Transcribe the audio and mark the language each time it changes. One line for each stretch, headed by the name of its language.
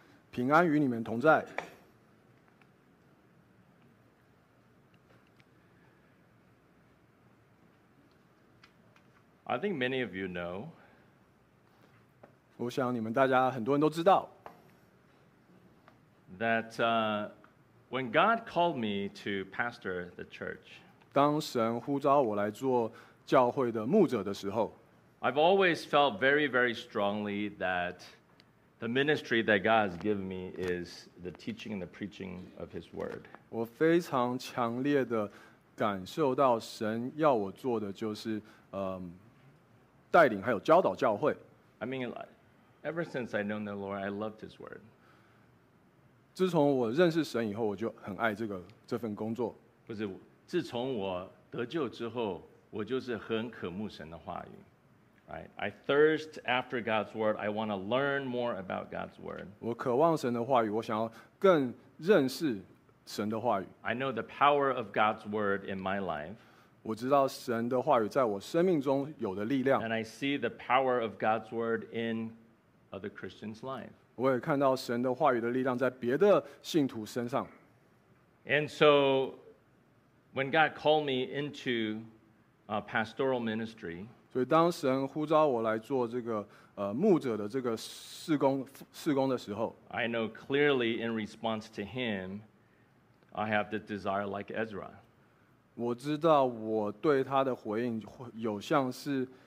Chinese: 平安与你们同在。
English: I think many of you know.
Chinese: 我想你们大家很多人都知道。
English: That when God called me to pastor the church,
Chinese: 当神呼召我来做教会的牧者的时候
English: I've always felt very, very strongly that the ministry that God has given me is the teaching and the preaching of His Word.
Chinese: 我非常强烈的感受到神要我做的就是带领还有教导教会。
English: I mean, ever since I known the Lord, I loved His Word.
Chinese: 自从我认识神以后，我就很爱这份工作。不是，自从我得救之后，我就是很渴慕神的话语。
English: Right? I thirst after God's word. I want to learn more about God's word.
Chinese: 我渴望神的话语，我想要更认识神的话语。
English: I know the power of God's word in my life.
Chinese: 我知道神的话语在我生命中有的力量。
English: And I see the power of God's word in other Christians' lives.
Chinese: 我也看到神的话语的力量在别的信徒身上。
English: And so, when God called me into pastoral ministry,
Chinese: 所以当神呼召我来做这个牧者的这个事工的时候
English: ，I know clearly in response to Him, I have the desire like Ezra.
Chinese: 我知道我对他的回应有像是